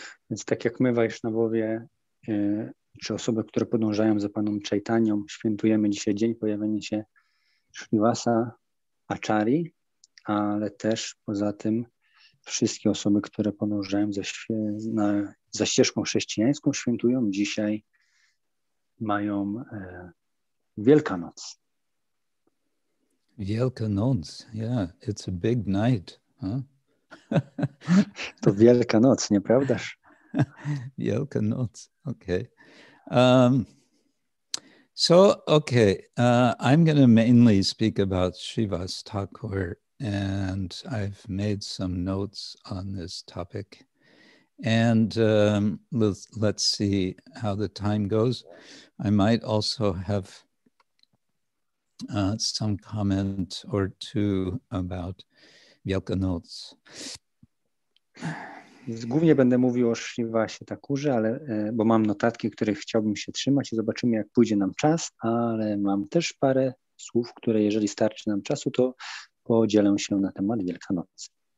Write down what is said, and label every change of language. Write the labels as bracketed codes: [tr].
[pl] Więc tak jak my, Vaishnavowie, czy osoby, które podążają za Panem Chaitanią, świętujemy dzisiaj dzień pojawienia się Srinivasa Achari, ale też poza tym wszystkie osoby, które podążają za ścieżką chrześcijańską, świętują dzisiaj, mają Wielkanoc. [en] Wielkanoc, yeah, it's a big night. Huh? [pl] To Wielkanoc, nieprawdaż? Wielkanoc, okay. [en] I'm going to mainly speak about Shri Vas Thakur, and I've made some notes on this topic. And let's see how the time goes. I might also have some comment or two about Wielkanoc. [pl] Głównie będę mówił o Srinivasie Thakurze, ale bo mam notatki, których chciałbym się trzymać i zobaczymy, jak pójdzie nam czas, ale mam też parę słów, które jeżeli starczy nam czasu, to podzielę się na temat Wielkanocy.